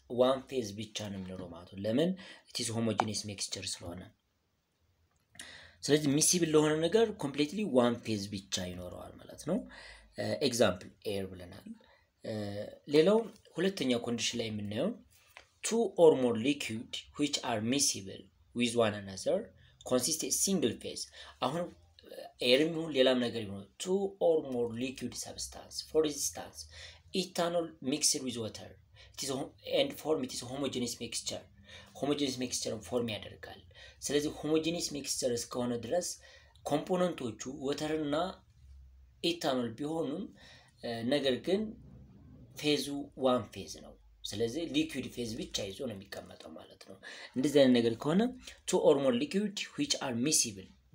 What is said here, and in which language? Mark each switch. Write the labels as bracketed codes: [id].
[am] one phase ብቻ ነው የሚኖረው ማለት ነው። ለምን? [en] it is homogeneous mixture [am] ስለሆነ። ስለዚህ miscible ለሆነ ነገር [en] completely one phase [am] ብቻ ይኖረዋል ማለት ነው። example air ብለናል። ሌላው ሁለተኛ condition ላይ ምን ነው? [en] two or more liquid which are miscible with one another consist a single phase. [am] አሁን air-ም ይሁን ሌላም ነገር ይሁን [en] two or more liquid substance for instance ethanol mixed with water it is and form it is homogeneous mixture. [am] homogeneous mixture form ያደርጋል። ስለዚህ homogeneous mixture እስከሆነ ድረስ ኮምፖነንቶቹ water እና ethanol ቢሆኑም ነገር ግን phase one phase ነው። ስለዚህ liquid phase ብቻ ይዞ ነው የሚቀመጠው ማለት ነው። እንደዚህ አይነት ነገር ከሆነ [en] two or more liquid which are miscible